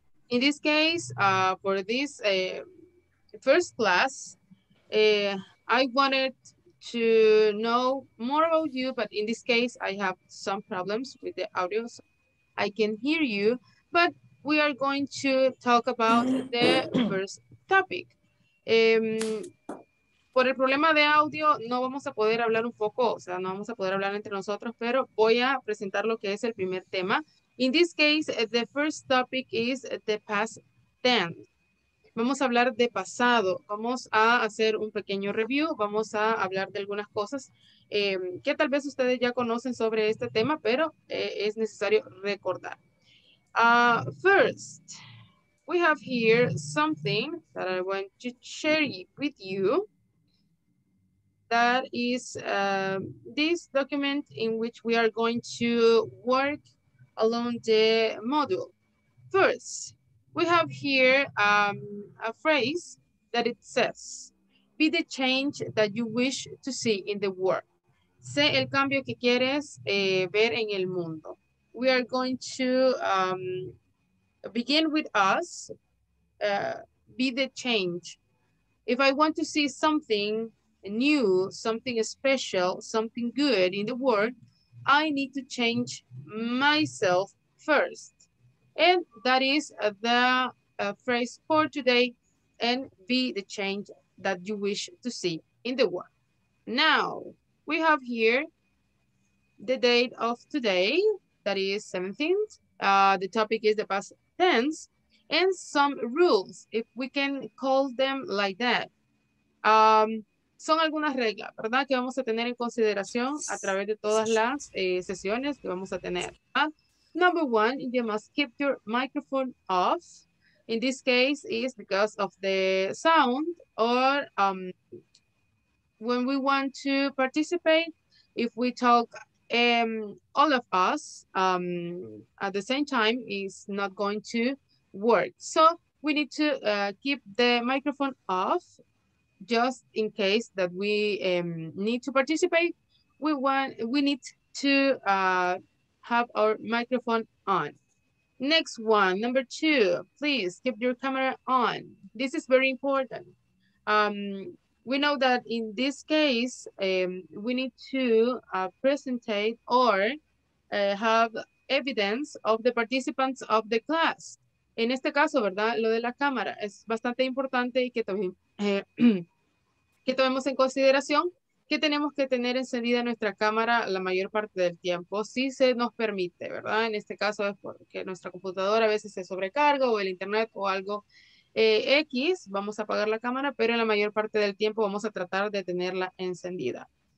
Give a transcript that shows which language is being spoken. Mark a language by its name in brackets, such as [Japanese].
[English] In this case, for this first class, I wanted to know more about you, but in this case, I have some problems with the audio. So I can hear you, but we are going to talk about the first topic. [Spanish] Por el problema de audio, no vamos a poder hablar un poco, o sea, no vamos a poder hablar entre nosotros, pero voy a presentar lo que es el primer tema. [English] In this case, the first topic is the past tense. [Spanish] Vamos a hablar de pasado. Vamos a hacer un pequeño review. Vamos a hablar de algunas cosas que tal vez ustedes ya conocen sobre este tema, pero es necesario recordar. [English] First, we have here something that I want to share with you. That is this document in which we are going to work along the module. First, we have here a phrase that it says, be the change that you wish to see in the world. [Spanish] Sé el cambio que quieres ver en el mundo. [English] We are going to begin with us, be the change. If I want to see something new, something special, something good in the world, I need to change myself first. And that is the phrase for today, and be the change that you wish to see in the world. Now, we have here the date of today, that is 17th. The topic is the past tense, and some rules, if we can call them like that. [Spanish] Son algunas reglas, ¿verdad?, que vamos a tener en consideración a través de todas las sesiones que vamos a tener, ¿verdad? [English] Number one, you must keep your microphone off. In this case, is because of the sound, or when we want to participate, if we talk all of us at the same time, is not going to work. So we need to keep the microphone off just in case that we need to participate. We need to have our microphone on. Next one, number two, please keep your camera on. This is very important. We know that in this case, we need to presentate or have evidence of the participants of the class. [Spanish] En este caso, ¿verdad? Lo de la cámara es bastante importante y que también que tomemos en consideración que tenemos que tener encendida nuestra cámara la mayor parte del tiempo, si se nos permite, ¿verdad? En este caso es porque nuestra computadora a veces se sobrecarga o el internet o algo X, vamos a apagar la cámara, pero en la mayor parte del tiempo vamos a tratar de tenerla encendida.